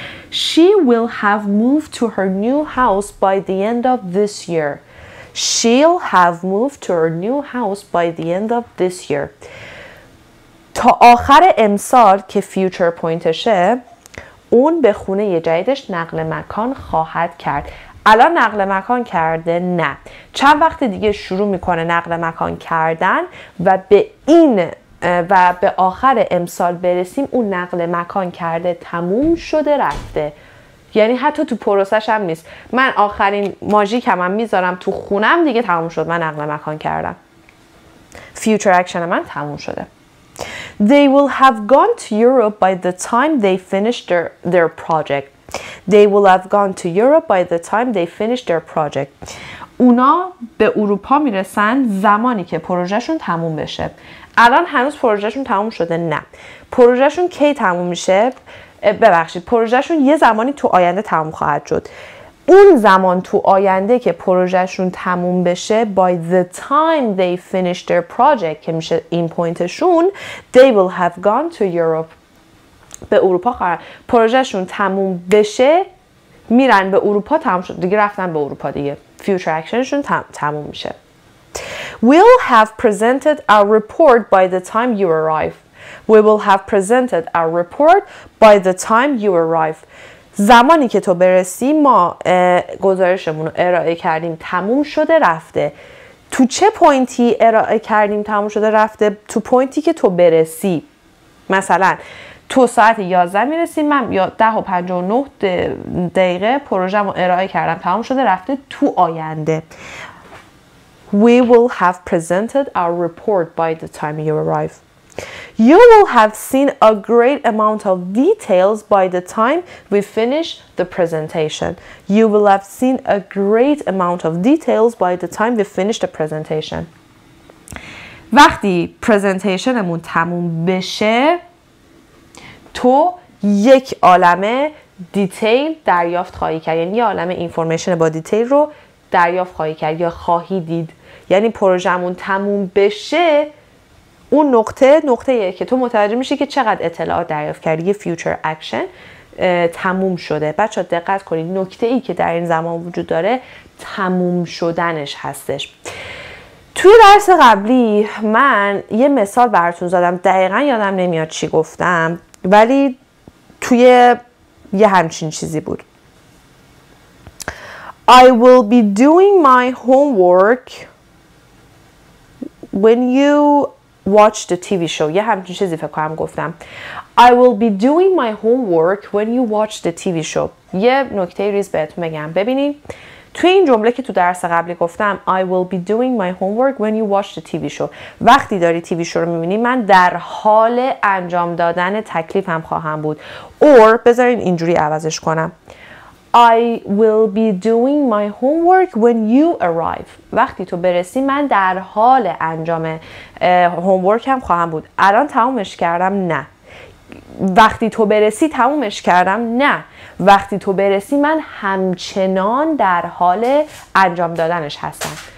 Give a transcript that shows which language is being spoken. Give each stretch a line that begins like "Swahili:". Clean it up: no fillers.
English: She will have moved to her new house by the end of this year. She'll have moved to her new house by the end of this year.
Persian: تا آخر امسال که فیوچر پوینتشه اون به خونه جدیدش نقل مکان خواهد کرد. الان نقل مکان کرده؟ نه. چند وقت دیگه شروع میکنه نقل مکان کردن و به این و به آخر امسال برسیم اون نقل مکان کرده تموم شده رفته. یعنی حتی تو پروسش هم نیست. من آخرین ماژیکم هم میذارم تو خونم دیگه تموم شد. من نقل مکان کردم. فیوچر اکشن من تموم شده.
English: They will have gone to Europe by the time they finished their project. They will have gone to Europe by the time they finished their project.
Persian: اونا به اروپا میرسن زمانی که پروژهشون تموم بشه. الان هنوز پروژهشون تموم شده؟ نه. پروژهشون کی تموم میشه؟ ببخشید. پروژهشون یه زمانی تو آینده تموم خواهد شد. اون زمان تو آینده که پروژهشون تموم بشه
English: by the time they finish their project
Persian: که میشه این پوینتشون
English: they will have gone to Europe
Persian: به اروپا خواهد. پروژهشون تموم بشه میرن به اروپا تموم شد. دیگه رفتن به اروپا دیگه. Future actionشون تموم میشه.
English: We'll have presented our report by the time you arrive. We will have presented our report by the time you arrive.
Persian: زمانی که تو برسی ما گزارشمون رو ارائه کردیم تموم شده رفته. تو چه پوینتی ارائه کردیم تموم شده رفته؟ تو پوینتی که تو برسی. مثلا تو ساعت 11 میرسی، من 10:59 دقیقه پروژه‌مو ارائه کردم تموم شده رفته تو آینده.
English: We will have presented our report by the time you arrive. You will have seen a great amount of details by the time we finish the presentation. You will have seen a great amount of details by the time we finish the presentation.
Persian: وقتی پرزنتیشنمون تموم بشه تو یک عالمه دیتیل دریافت خواهی کرد. یعنی یه عالمه اینفورمیشن با دیتیل رو دریافت خواهی کرد یا خواهی دید. یعنی پروژه‌مون تموم بشه اون نقطه‌ایه که تو متوجه میشی که چقدر اطلاعات دریافت کردی. یه فیوچر اکشن تموم شده. بچه‌ها دقت کنید، نقطه‌ای که در این زمان وجود داره تموم شدنش هستش. توی درس قبلی من یه مثال براتون زدم، دقیقاً یادم نمیاد چی گفتم، ولی توی یه همچین چیزی بود.
English: I will be doing my homework when you watch the TV show.
Persian: یه همچین چیزی فکر کنم گفتم.
English: I will be doing my homework when you watch the TV show.
Persian: یه نکته ریز بهتون بگم. ببینید توی این جمله که تو درس قبلی گفتم
English: I will be doing my homework when you watch the TV show،
Persian: وقتی داری TV show رو میبینی من در حال انجام دادن تکلیفم خواهم بود. Or بذارین اینجوری عوضش کنم.
English: I will be doing my homework when you arrive.
Persian: وقتی تو برسی من در حال انجام homeworkم خواهم بود. الان تمومش کردم؟ نه. وقتی تو برسی تمومش کردم؟ نه. وقتی تو برسی من همچنان در حال انجام دادنش هستم.